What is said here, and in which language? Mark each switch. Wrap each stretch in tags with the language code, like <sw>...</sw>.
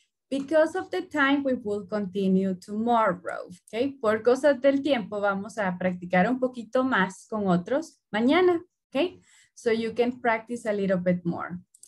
<en>Because of the time, we will continue tomorrow, okay?</en> <es>Por cosas del tiempo, vamos a practicar un poquito más con otros mañana, okay?</es> <en>So you can practice a little bit more.</en>